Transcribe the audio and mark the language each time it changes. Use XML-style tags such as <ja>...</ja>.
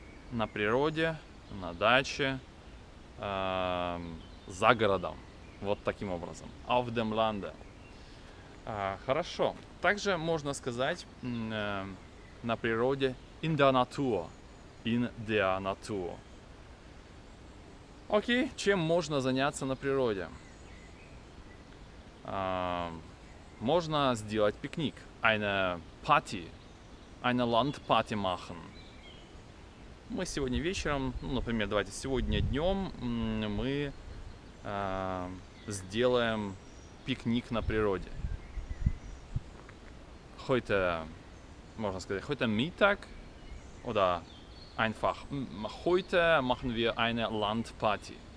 <ru>На природе, на даче, за городом. Вот таким образом.</ru> <de>Auf dem Lande.</de> <ru>Хорошо. Также можно сказать на природе</ru> <de>in der Natur. In der Natur.</de> <ru>Окей, чем можно заняться на природе? Можно сделать пикник,</ru> <de>eine Party, eine Landparty machen.</de> <ru>Мы сегодня вечером, например, давайте сегодня днем мы сделаем пикник на природе.</ru> <de>Heute,</de> <ru>можно сказать,</ru> <de>heute Mittag, oder einfach, heute machen wir eine Landparty.</de>